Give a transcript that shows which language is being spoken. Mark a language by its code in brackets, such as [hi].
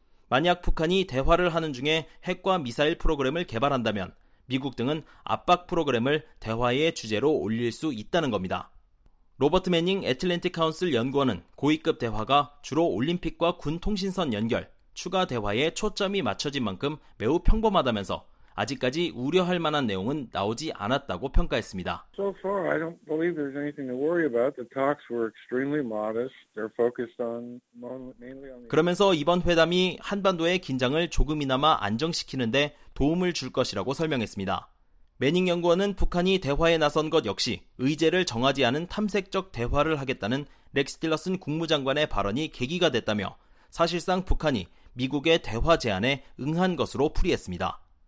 [ko] 만약 북한이 대화를 하는 중에 핵과 미사일 프로그램을 개발한다면 미국 등은 압박 프로그램을 대화의 주제로 올릴 수 있다는 겁니다. 로버트 매닝 애틀랜틱 카운슬 연구원은 고위급 대화가 주로 올림픽과 군 통신선 연결, 추가 대화에 초점이 맞춰진 만큼 매우 평범하다면서 아직까지 우려할 만한 내용은 나오지 않았다고 평가했습니다. [en] So far, I don't believe there's anything to worry about. The talks were extremely modest. They're focused on mainly on. [ko] 그러면서 이번 회담이 한반도의 긴장을 조금이나마 안정시키는데 도움을 줄 것이라고 설명했습니다. 매닝 연구원은 북한이 대화에 나선 것 역시 의제를 정하지 않은 탐색적 대화를 하겠다는 렉스 틸러슨 국무장관의 발언이 계기가 됐다며 사실상 북한이 미국의 대화 제안에 응한 것으로 풀이했습니다.